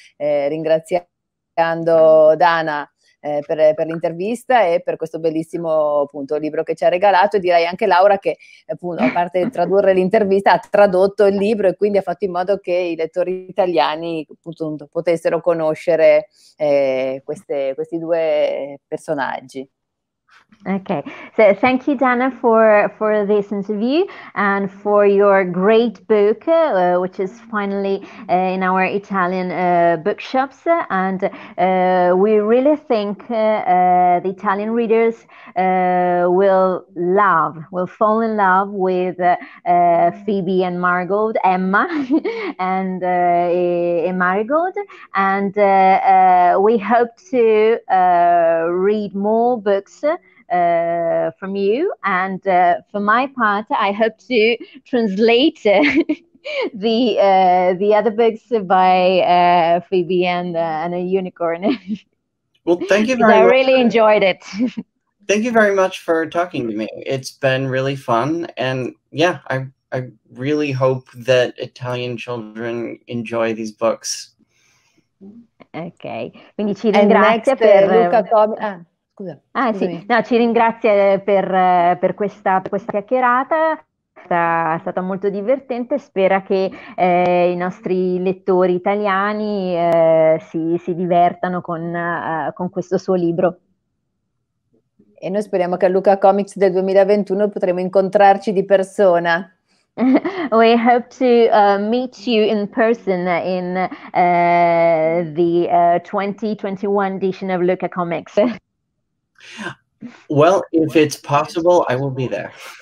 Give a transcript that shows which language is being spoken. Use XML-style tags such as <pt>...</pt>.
<it>ringraziando Dana per l'intervista e per questo bellissimo appunto libro che ci ha regalato, e direi anche Laura che appunto, a parte di tradurre l'intervista, ha tradotto il libro e quindi ha fatto in modo che i lettori italiani appunto potessero conoscere questi due personaggi.</it> <en>Okay, so thank you, Dana, for this interview and for your great book, which is finally in our Italian bookshops. And we really think the Italian readers will fall in love with Phoebe and Marigold, Emma and Marigold. And we hope to read more books from you, and for my part, I hope to translate the other books by Phoebe and a unicorn. Well, thank you very much. I really enjoyed it. Thank you very much for talking to me. It's been really fun, and yeah, I really hope that Italian children enjoy these books.</en> <it>Okay, quindi ci ringrazio per Luca. Ah sì, no, ci ringrazio per questa chiacchierata, è stata molto divertente, spero che i nostri lettori italiani si divertano con questo suo libro. E noi speriamo che a Luca Comics del 2021 potremo incontrarci di persona.</it> <en>We hope to meet you in person in the 2021 edition of Luca Comics. Well, if it's possible, I will be there.</en>